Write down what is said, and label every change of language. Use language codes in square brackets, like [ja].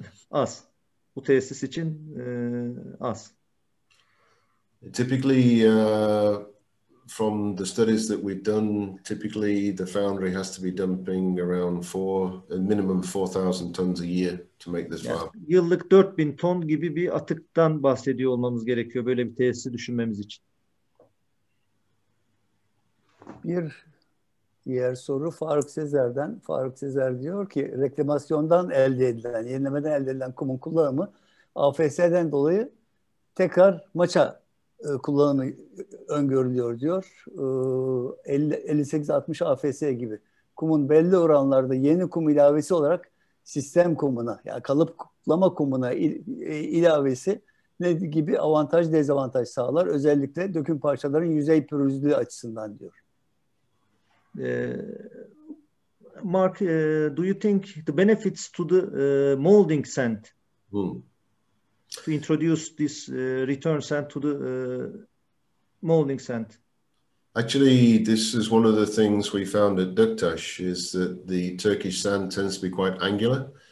[tr] Az. Bu tesis için az. [en] Typically, from the studies that we've done, typically the foundry has to be dumping around minimum 4,000 tons a year to make this [tr] Yani [en] viable. [tr] yıllık 4.000 ton gibi bir atıktan bahsediyor olmamız gerekiyor böyle bir tesisi düşünmemiz için. Bir diğer soru Faruk Sezer'den. Faruk Sezer diyor ki, reklamasyondan elde edilen, yenilemeden elde edilen kumun kullanımı AFS'den dolayı tekrar maça kullanımı öngörülüyor diyor. 58-60 AFS gibi. kumun belli oranlarda yeni kum ilavesi olarak sistem kumuna, ya yani kalıp kuplama kumuna ilavesi ne gibi avantaj dezavantaj sağlar, özellikle döküm parçaların yüzey pürüzlüğü açısından diyor. [en] Mark, do you think the benefits to the molding sand to introduce this return sand to the molding sand? Actually, this is one of the things we found at Duktaş, is that the Turkish sand tends to be quite angular.